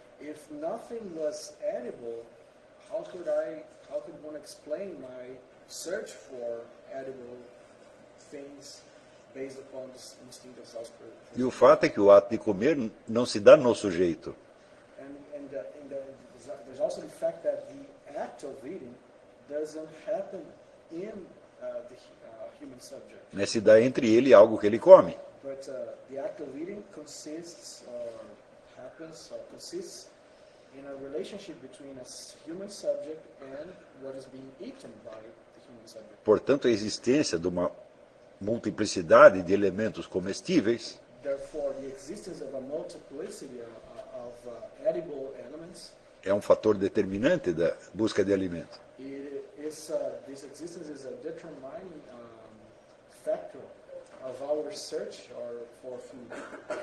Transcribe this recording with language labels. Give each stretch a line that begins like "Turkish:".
English: If nothing was edible, how could one explain my search for edible things based upon the instinct of self-preservation?
Portuguese: E o fato é que o ato de comer não se dá no sujeito.
English: There's also the fact that the act of eating doesn't happen in the human subject.
Portuguese: Mas se dá entre ele e algo que ele come.
English: But the act of eating consists or happens or consists in a relationship between a human subject and what is being eaten by the human subject.
Portuguese: Portanto, a existência de uma multiplicidade de elementos comestíveis.
English: Therefore, the existence of a multiplicity of edible elements.
Portuguese: É um fator determinante da busca de alimento.
English: This existence is a determining factor of our search or for food.